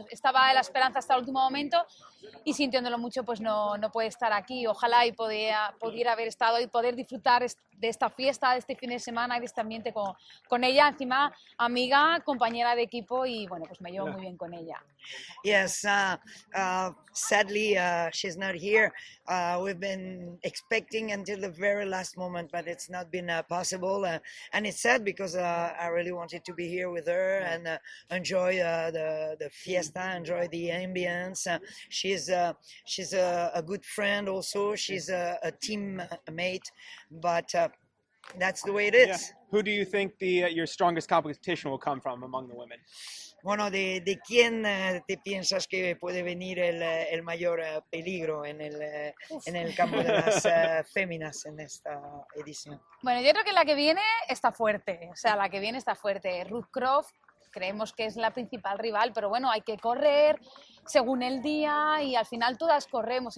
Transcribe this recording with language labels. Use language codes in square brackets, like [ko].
[es] Estaba la esperanza hasta el último momento y sintiéndolo mucho, pues no puede estar aquí. Ojalá y pudiera haber estado y poder disfrutar de esta fiesta, de este fin de semana y de este ambiente con ella. Encima, amiga, compañera de equipo y, bueno, pues me llevo muy bien con ella. [en] Yes, sadly, she's not here. We've been expecting until the very last moment, but it's not been possible. And it's sad because I really wanted to be here with her and enjoy the fiesta, enjoy the ambience. She's a good friend also. She's a teammate, but that's the way it is. Yeah. Who do you think your strongest competition will come from among the women? [es] Bueno, ¿de quién te piensas que puede venir el mayor peligro en el campo de las féminas en esta edición? Bueno, yo creo que la que viene está fuerte. O sea, la que viene está fuerte. Ruth Croft creemos que es la principal rival, pero bueno, hay que correr según el día y al final todas corremos.